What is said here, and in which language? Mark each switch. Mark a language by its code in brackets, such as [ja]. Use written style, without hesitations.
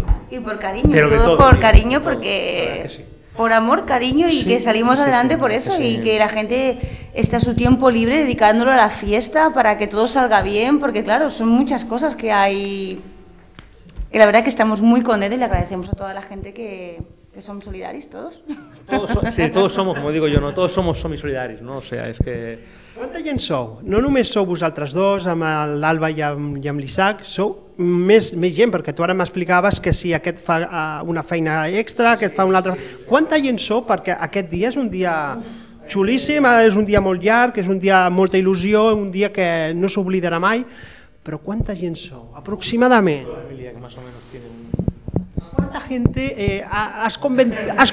[es] Y por cariño, pero todo por bien, cariño, porque por amor, cariño, y sí, que salimos adelante por eso, que y que la gente está su tiempo libre dedicándolo a la fiesta para que todo salga bien, porque claro, son muchas cosas que hay, que la verdad es que estamos muy contentos y le agradecemos a toda la gente que son solidarios todos. Todos somos, como digo yo, ¿no? Todos somos semisolidarios, ¿no? O sea, es que... [ca] Quanta gent sou? No només sou vosaltres dos, amb l'Alba i amb l'Isaac, sou més gent, perquè tu ara m'explicaves que si aquest fa una feina extra, aquest fa una altra... Quanta gent sou? Perquè aquest dia és un dia xulíssim, és un dia molt llarg, és un dia amb molta il·lusió, un dia que no s'oblidarà mai, però quanta gent sou? Aproximadament. [es] ¿Cuánta gente has convencido?